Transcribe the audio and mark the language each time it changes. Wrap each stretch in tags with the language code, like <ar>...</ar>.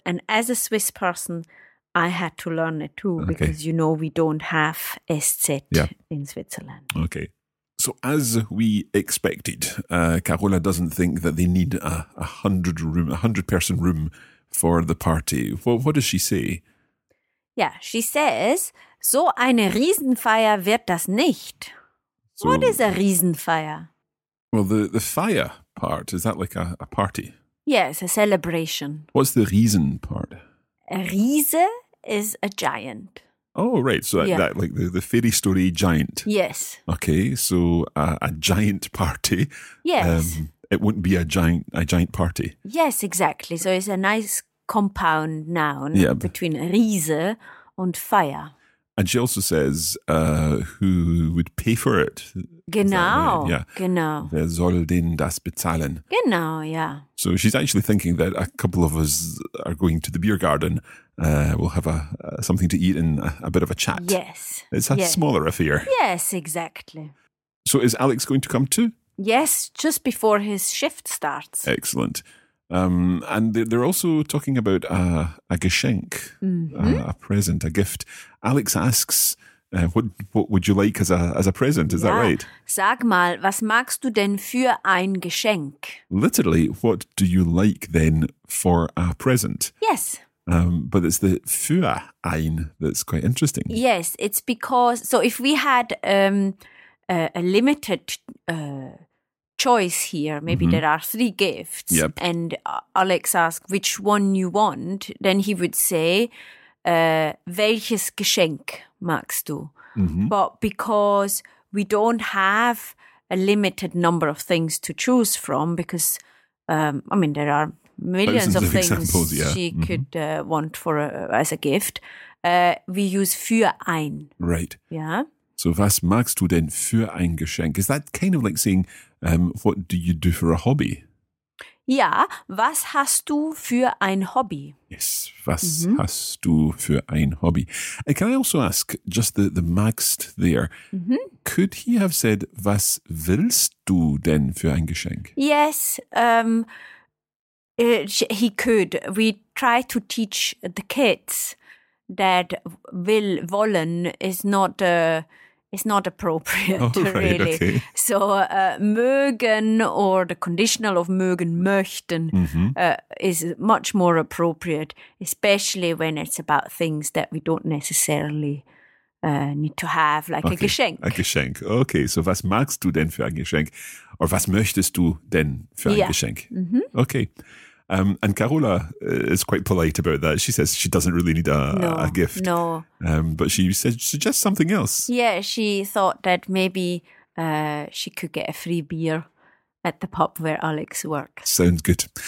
<en>And as a Swiss person, I had to learn it too, because you know we don't have SZ in Switzerland. Okay. So as we expected, Carola doesn't think that they need a hundred person room for the party. What does she say? Yeah, she says,</en> <de>so eine Riesenfeier wird das nicht.</de> <en>So, what is a Riesenfeier? Well, the fire part, is that like a party? Yeah, it's a celebration. What's the Riesen part? A Riese is a giant. Oh, right. So that like the fairy story giant. Yes. Okay, so a giant party. Yes. It wouldn't be a giant party. Yes, exactly. So it's a nice compound noun between Riese and Feier. And she also says, who would pay for it?</en> <de>Genau.</de> <en>Right? Yeah.</en> <de>Genau. Wer soll denn das bezahlen? Genau, yeah.</de> <en>So she's actually thinking that a couple of us are going to the beer garden. We'll have something to eat and a bit of a chat. Yes. It's a smaller affair. Yes, exactly. So is Alex going to come too? Yes, just before his shift starts. Excellent. And they're also talking about a Geschenk, a present, a gift. Alex asks What would you like as a present? Is that right?</en> <de>Sag mal, was magst du denn für ein Geschenk?</de> <en>Literally, what do you like then for a present? Yes. But it's the für ein that's quite interesting. Yes, it's because, so if we had a limited choice here, maybe there are three gifts, and Alex asks which one you want, then he would say,</en> <de>welches Geschenk magst du?</de> <en>But because we don't have a limited number of things to choose from, because, I mean, there are millions of things she could want for as a gift, we use für ein. Right. Yeah.</en> <de>So was magst du denn für ein Geschenk?</de> <en>Is that kind of like saying, what do you do for a hobby? Yeah.</en> <de>Was hast du für ein Hobby?</de> <en>Yes.</en> <de>Was hast du für ein Hobby?</de> <en>Can I also ask, just the magst there, could he have said,</en> <de>was willst du denn für ein Geschenk?</de> <en>Yes. He could. We try to teach the kids that will, wollen is not a... It's not appropriate, really. Okay. So mögen or the conditional of mögen, möchten is much more appropriate, especially when it's about things that we don't necessarily need to have, like a Geschenk. A Geschenk. Okay, so</en> <de>was magst du denn für ein Geschenk? Or was möchtest du denn für ein Geschenk?</de> <en>Mm-hmm. Okay. And Carola is quite polite about that. She says she doesn't really need a gift. No. But she said suggest something else. Yeah, she thought that maybe she could get a free beer at the pub where Alex works. Sounds good.</en>